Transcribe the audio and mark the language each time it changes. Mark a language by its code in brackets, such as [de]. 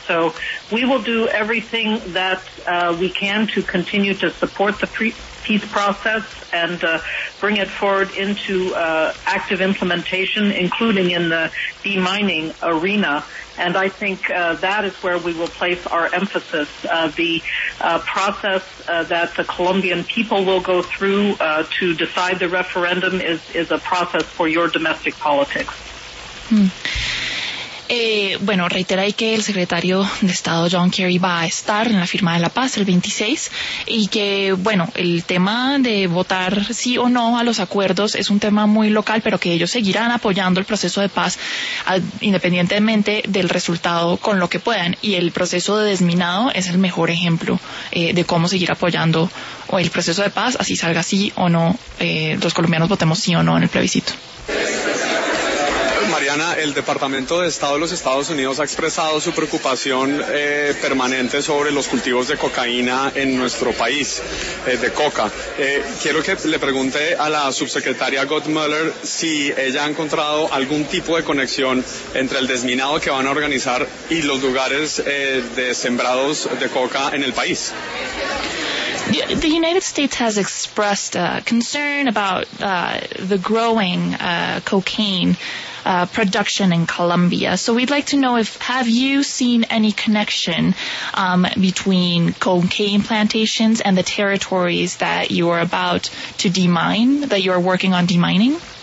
[en] So we will do everything that we can to continue to support the peace process and bring it forward into active implementation, including in the demining arena. And I think that is where we will place our emphasis. The process that the Colombian people will go through to decide the referendum is a process for your domestic politics. Hmm. [es] Bueno, reitera ahí que el secretario de Estado John Kerry va a estar en la firma de la paz el 26 y que, bueno, el tema de votar sí o no a los acuerdos es un tema muy local, pero que ellos seguirán apoyando el proceso de paz independientemente del resultado con lo que puedan. Y el proceso de desminado es el mejor ejemplo de cómo seguir apoyando el proceso de paz, así salga sí o no, los colombianos votemos sí o no en el plebiscito. Mariana, el Departamento de Estado de los Estados Unidos ha expresado su preocupación permanente sobre los cultivos de cocaína en nuestro país, de coca. Quiero que le pregunte a la subsecretaria Gottmüller si ella ha encontrado algún tipo de conexión entre el desminado que van a organizar y los lugares de sembrados de coca en el país. [en] The United States has expressed concern about the growing cocaine production in Colombia. So we'd like to know if have you seen any connection between cocaine plantations and the territories that you are about to demine, that you are working on demining?